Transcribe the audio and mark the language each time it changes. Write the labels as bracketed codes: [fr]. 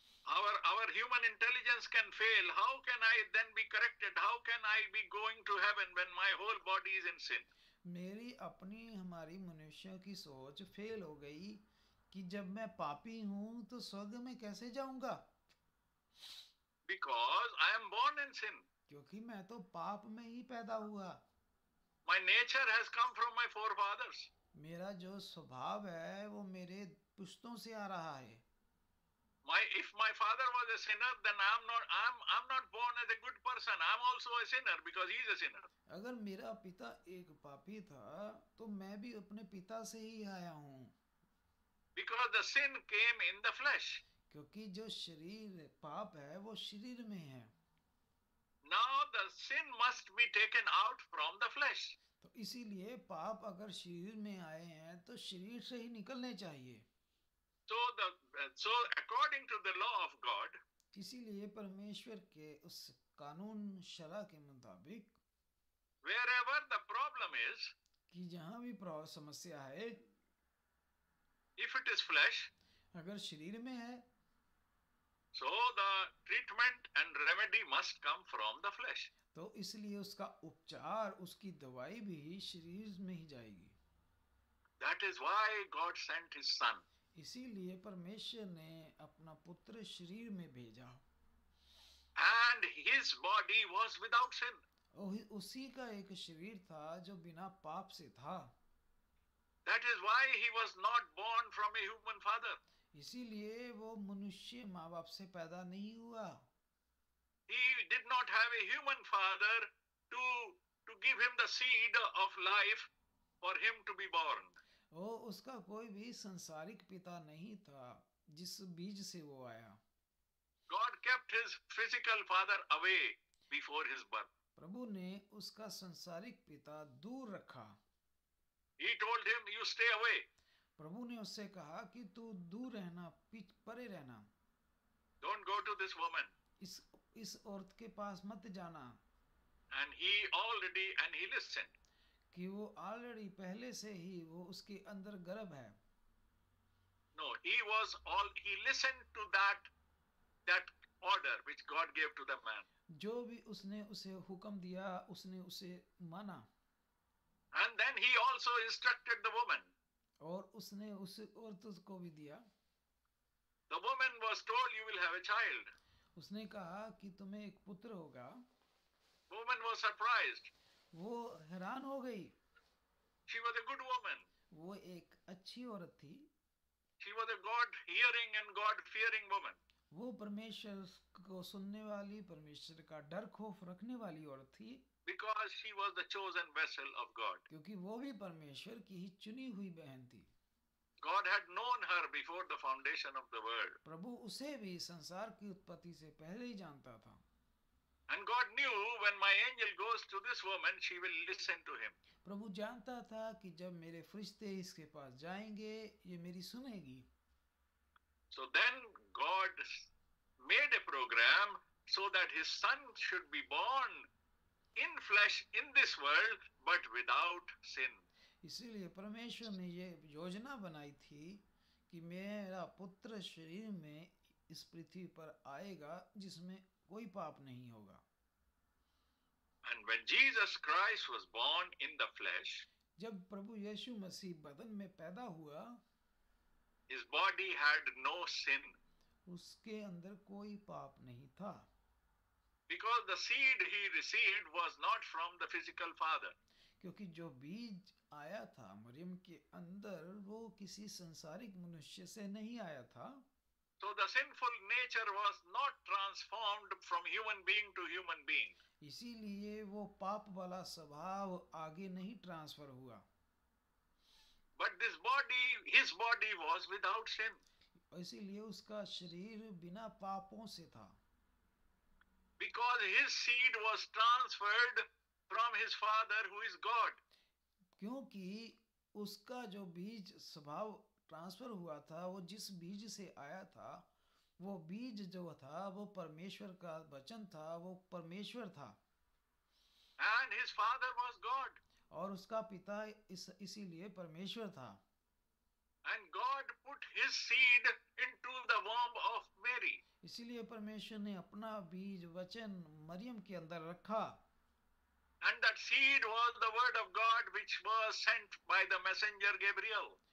[en] Our human intelligence can fail. How can I then be corrected? How can I be going to heaven when my whole body is in sin? [hi] मेरी अपनी हमारी मनुष्यों की सोच fail हो गई कि जब मैं पापी हूं तो स्वर्ग में कैसे जाऊंगा? [en] Because I am born in sin. [hi] क्योंकि मैं तो पाप में ही पैदा हुआ. [en] My nature has come from my forefathers. [hi] मेरा जो स्वभाव है वो मेरे पुश्तों से आ रहा है. [en] If my father was a sinner, then I'm not born as a good person. I'm also a sinner because he's a sinner. [hi] अगर मेरा पिता एक पापी था तो मैं भी अपने पिता से ही आया हूं. [en] Because the sin came in the flesh. [hi] क्योंकि जो शरीर पाप है वो शरीर में है. [en] Now the sin must be taken out from the flesh. [hi] तो इसीलिए पाप अगर शरीर में आए हैं तो शरीर से ही निकलने चाहिए. [en] So according to the law of God. [hi] इसीलिए परमेश्वर के उस कानून शरा के मुताबिक. [en] Wherever the problem is. [hi] कि जहाँ भी प्रॉब्लम समस्या है. [en] If it is flesh, [hi] अगर शरीर में है, [en] so the treatment and remedy must come from the flesh. [hi] तो इसलिए उसका उपचार, उसकी दवाई भी शरीर में ही जाएगी. [en] That is why God sent His Son. [hi] इसीलिए परमेश्वर ने अपना पुत्र शरीर में भेजा. [en] And His body was without sin. [hi] उसी का एक शरीर था जो बिना पाप से था. [en] That is why he was not born from a human father. [hi] इसीलिए वो मनुष्य माँबाप से पैदा नहीं हुआ. [en] He did not have a human father to give him the seed of life for him to be born. [hi] वो उसका कोई भी संसारिक पिता नहीं था जिस बीज से वो आया. [en] God kept his physical father away before his birth. [hi] प्रभु ने उसका संसारिक पिता दूर रखा. [en] He told him, "You stay away." [hi] प्रभु ने उससे कहा कि तू दूर रहना, परे रहना. [en] Don't go to this woman. [hi] इस औरत के पास मत जाना. [en] And he listened. [hi] कि वो ऑलरेडी पहले से ही वो उसके अंदर गर्भ है. [en] No, he listened to that order which God gave to the man. [hi] जो भी उसने उसे हुक्म दिया, उसने उसे माना. [en] And then he also instructed the woman. [hi] और उसने उस औरत को भी दिया. [en] The woman was told, "You will have a child." [hi] उसने कहा कि तुम्हें एक पुत्र होगा. [en] Woman was surprised. [hi] वो हैरान हो गई. [en] She was a good woman. [hi] वो एक अच्छी औरत थी. [en] She was a God-hearing and God-fearing woman. [hi] वो परमेश्वर को सुनने वाली, परमेश्वर का डर खौफ रखने वाली औरत थी. [en] Because she was the chosen vessel of God. [hi] क्योंकि वो भी परमेश्वर की ही चुनी हुई बहन थी. [en] God had known her before the foundation of the world. [hi] प्रभु उसे भी संसार की उत्पत्ति से पहले ही जानता था. [en] And God knew when my angel goes to this woman, she will listen to him. [hi] प्रभु जानता था कि जब मेरे फरिश्ते इसके पास जाएंगे, ये मेरी सुनेगी. [en] So then God made a program so that His Son should be born. In flesh, in this world, but without sin. [hi] इसीलिए परमेश्वर ने ये योजना बनाई थी कि मेरा पुत्र शरीर में इस पृथ्वी पर आएगा जिसमें कोई पाप नहीं होगा. [en] And when Jesus Christ was born in the flesh, [hi] जब प्रभु यीशु मसीह बदन में पैदा हुआ, [en] his body had no sin. [hi] उसके अंदर कोई पाप नहीं था. [en] Because the seed he received was not from the physical father. [hi] क्योंकि जो बीज आया था मरियम के अंदर वो किसी संसारिक मनुष्य से नहीं आया था. [en] So the sinful nature was not transformed from human being to human being. [hi] इसीलिए वो पाप वाला स्वभाव आगे नहीं ट्रांसफर हुआ. [en] But this body, his body was without sin. [hi] इसीलिए उसका शरीर बिना पापों से था. [en] Because his seed was transferred from his father who is God. [hi] क्योंकि उसका जो बीज स्वभाव ट्रांसफर हुआ था वो जिस बीज से आया था वो बीज जो था वो परमेश्वर का वचन था वो परमेश्वर था. [en] And his father was God. [hi] और उसका पिता इसीलिए परमेश्वर था. [en] And God put his seed into the womb of Mary. [hi] इसीलिए परमेश्वर ने अपना बीज वचन मरियम के अंदर रखा. [en] And that seed was the word of God which was sent by the messenger Gabriel.